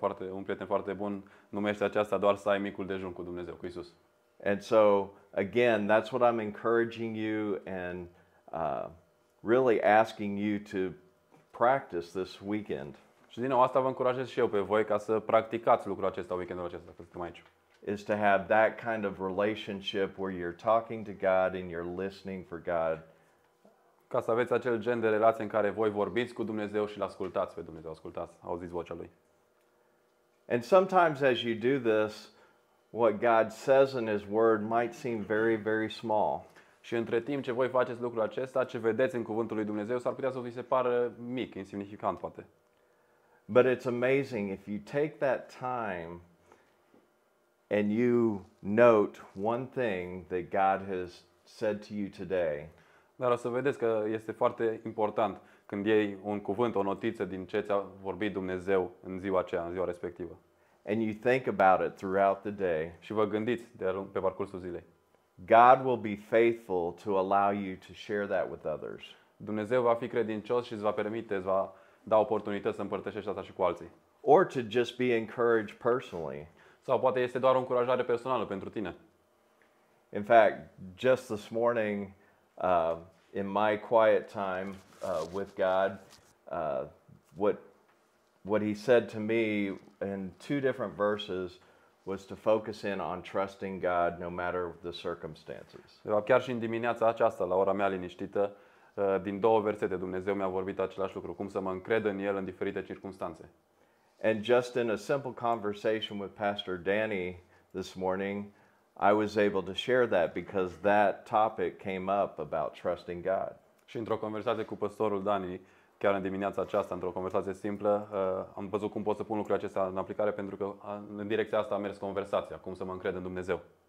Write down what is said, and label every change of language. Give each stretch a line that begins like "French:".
Romanian: Un prieten foarte bun numește aceasta doar să ai micul dejun cu Dumnezeu, cu Isus.
English: And so again, that's what I'm encouraging you and really asking you to practice this weekend.
Romanian: Și din nou, asta vă încurajez și eu pe voi ca să practicați lucrul acesta weekendul acesta, dacă suntem aici.
English: Is to have that kind of relationship where you're talking to God and you're listening for God.
Romanian: Ca să aveți acel gen de relație în care voi vorbiți cu Dumnezeu și l-ascultați pe Dumnezeu, ascultați, auziți vocea Lui.
English: And sometimes as you do this, what God says in His word might seem very, very small.
Romanian: Și între timp ce voi faceți lucrul acesta, ce vedeți în cuvântul lui Dumnezeu s-ar putea să vi se pară mic, insignificant poate.
English: But it's amazing if you take that time and you note one thing that God has said to you today.
Romanian: Dar o să vedeți că este foarte important când iei un cuvânt, o notiță din ce ți-a vorbit Dumnezeu în ziua aceea, în ziua respectivă.
English: And you think about it throughout the day.
Romanian: Și vă gândiți pe parcursul zilei.
English: God will be faithful to allow you to share that with others.
Romanian: Dumnezeu va fi credincios și îți va permite, îți va da oportunități să împărtășești asta și cu alții.
English: Or to just be encouraged personally.
Romanian: Sau poate este doar o încurajare personală pentru tine.
English: In fact, just this morning, in my quiet time with God, what he said to me in two different verses was to focus in on trusting God no matter the circumstances.
Romanian: Chiar și în dimineața aceasta, la ora mea liniștită, din două versete, Dumnezeu mi-a vorbit același lucru, cum să mă încred în El în diferite circumstanțe.
English: And just in a simple conversation with Pastor Danny this morning, I was able to share that because that topic came up about trusting God.
Romanian: Și într-o conversație cu pastorul Dani, chiar în dimineața aceasta, într-o conversație simplă, am văzut cum pot să pun lucrurile acestea în aplicare pentru că în direcția asta a mers conversația, cum să mă încred în Dumnezeu.